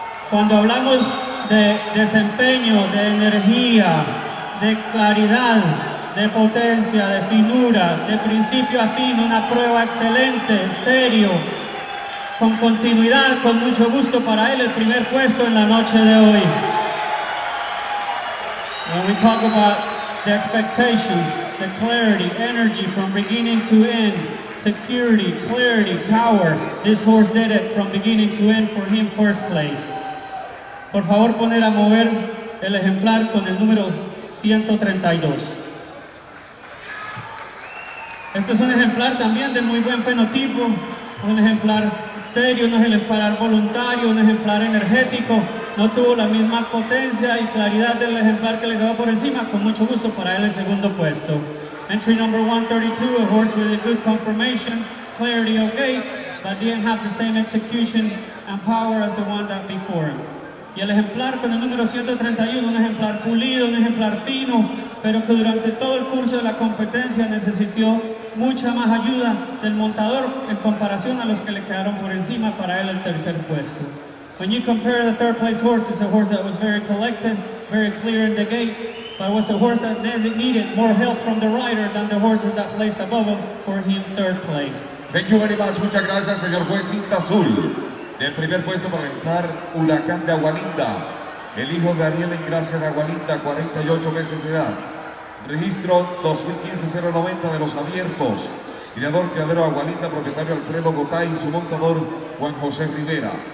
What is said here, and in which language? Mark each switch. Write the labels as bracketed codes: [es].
[es] Cuando hablamos de desempeño, de energía, de claridad, de potencia, de finura, de principio a fin, una prueba excelente, serio, con continuidad, con mucho gusto para él, el primer puesto en la noche de hoy. [en] When we talk about the expectations, the clarity, energy from beginning to end, security, clarity, power, this horse did it from beginning to end for him, first place. [es] Por favor, poner a mover el ejemplar con el número 132. Este es un ejemplar también de muy buen fenotipo, un ejemplar serio, un ejemplar voluntario, un ejemplar energético. No tuvo la misma potencia y claridad del ejemplar que le quedó por encima. Con mucho gusto para él el segundo puesto. [en] Entry number 132, a horse with a good conformation, clarity of gait, but didn't have the same execution and power as the one that before him. [es] Y el ejemplar con el número 131, un ejemplar pulido, un ejemplar fino, pero que durante todo el curso de la competencia necesitó mucha más ayuda del montador en comparación a los que le quedaron por encima para él el tercer puesto. [en] When you compare the third place horse, it's a horse that was very collected, very clear in the gate, but was a horse that needed more help from the rider than the horses that placed above him for him third place. Thank you very much. [es] Muchas gracias, señor juez Cinta Azul. Del primer puesto para entrar, Huracán de Agualinda. El hijo de Ariel Engracia de Agualinda, 48 meses de edad. Registro 2015-090 de los abiertos. Criador criadero Agualinda, propietario Alfredo Gotay, su montador Juan José Rivera.